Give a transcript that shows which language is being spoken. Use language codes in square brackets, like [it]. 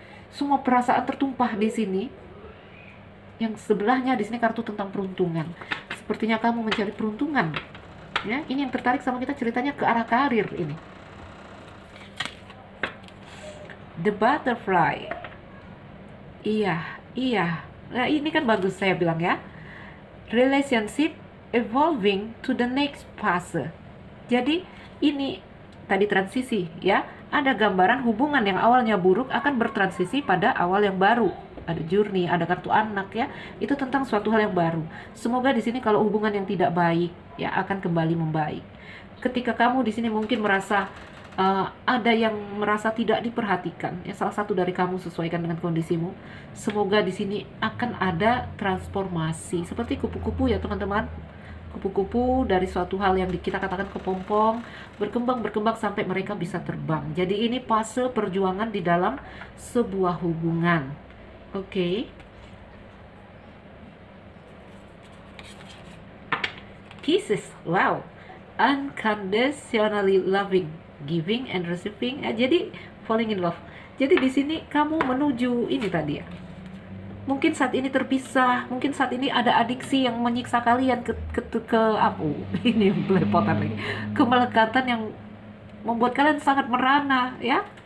[id] Semua perasaan tertumpah di sini. Yang sebelahnya di sini kartu tentang peruntungan. Sepertinya kamu mencari peruntungan. Ya, ini yang tertarik sama kita ceritanya ke arah karir ini. [en] The butterfly. Iya. [id] Nah, ini kan bagus saya bilang ya. [en] Relationship evolving to the next phase. [id] Jadi ini tadi transisi ya. Ada gambaran hubungan yang awalnya buruk akan bertransisi pada awal yang baru. Ada journey, ada kartu anak ya. Itu tentang suatu hal yang baru. Semoga di sini kalau hubungan yang tidak baik ya akan kembali membaik. Ketika kamu di sini mungkin merasa ada yang merasa tidak diperhatikan, ya salah satu dari kamu sesuaikan dengan kondisimu. Semoga di sini akan ada transformasi seperti kupu-kupu ya teman-teman. Kupu-kupu dari suatu hal yang kita katakan kepompong berkembang sampai mereka bisa terbang. Jadi ini fase perjuangan di dalam sebuah hubungan. Oke. [en] Okay. Kisses, wow, unconditionally loving, giving and receiving. Ya, jadi falling in love. [id] Jadi di sini kamu menuju ini tadi ya. Mungkin saat ini terpisah, mungkin saat ini ada adiksi yang menyiksa kalian ke apa? Ini belepotan lagi. Kemelekatan yang membuat kalian sangat merana, ya.